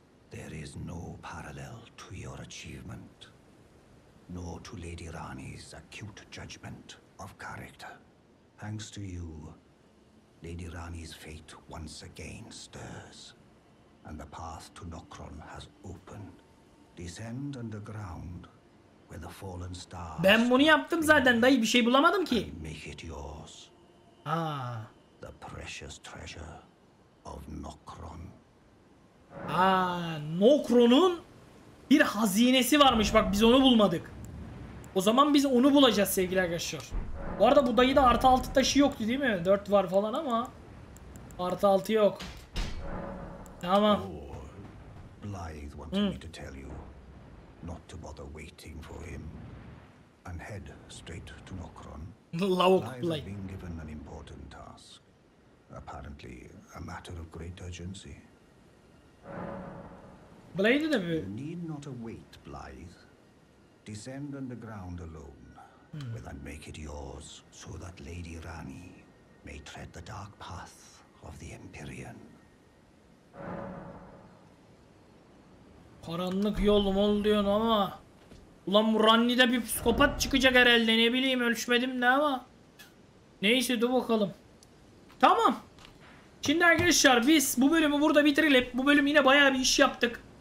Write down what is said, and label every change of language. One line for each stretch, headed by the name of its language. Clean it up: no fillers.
English: There is no parallel to your achievement, nor to Lady Rani's acute judgment of character. Thanks to you, Lady Rani's fate once again stirs, and the path to Nokron has opened. Descend underground, where the fallen stars...
Turkish: Ben bunu yaptım zaten dayı, bir şey bulamadım ki.
English: Make it yours. Aa. The precious treasure of Nokron.
Turkish: Aa, Nokron'un bir hazinesi varmış, bak biz onu bulmadık. O zaman biz onu bulacağız sevgili arkadaşlar. Bu arada bu dayıda artı 6 taşı yoktu değil mi? 4 var falan ama artı 6 yok. Tamam.
English: Blythe wanted me to tell you not to bother waiting for him and head straight to Nokron. Blythe been given an important task. Apparently a matter of great urgency.
Turkish: Blythe de mi?
English: Need not await, Blythe. Descend underground alone. Will I make it yours so that Lady Rani may tread the dark path of the Empyrean?
Turkish: Karanlık yol mol diyorsun ama ulan bu Rani'de bir psikopat çıkacak herhalde, ne bileyim, ölçmedim de ama neyse, dur bakalım. Tamam. Şimdi arkadaşlar biz bu bölümü burada bitirelim. Bu bölüm yine bayağı bir iş yaptık.